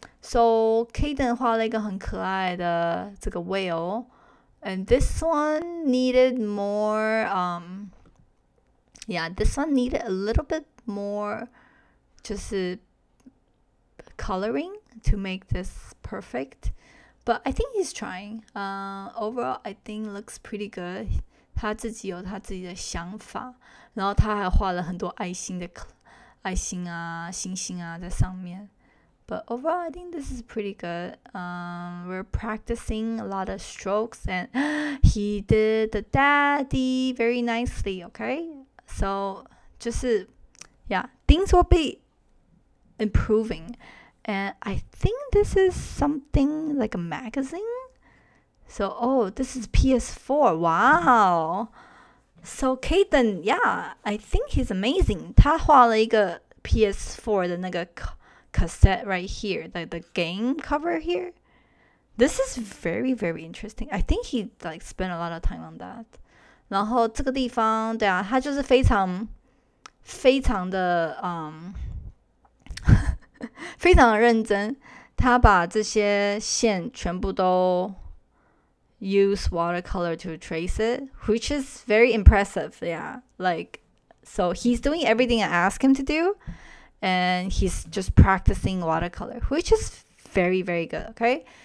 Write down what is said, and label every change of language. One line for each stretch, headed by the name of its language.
Chinese: So Cadence 画了一个很可爱的这个 whale。
English: And this one needed more, this one needed a little bit more just coloring to make this perfect. But I think he's trying. Overall, I think looks pretty good.
Chinese: 他自己有他自己的想法，然后他还画了很多爱心的爱心啊、星星啊在上面。
English: But overall, I think this is pretty good. We're practicing a lot of strokes, and he did the daddy very nicely. Okay, so just yeah, things will be improving. And I think this is something like a magazine. So, oh, this is PS4. Wow. So, Kaden, yeah, I think he's amazing.
Chinese: 他画了一个 PS4 的那个。
English: Cassette right here, the game cover here. This is very interesting. I think he like spent a lot of time on that.
Chinese: 然后这个地方，对啊，他就是非常的非常的认真。他把这些线全部都
English: use watercolor to trace it, which is very impressive. Yeah, like so he's doing everything I ask him to do. And he's just practicing watercolor, which is very good, okay?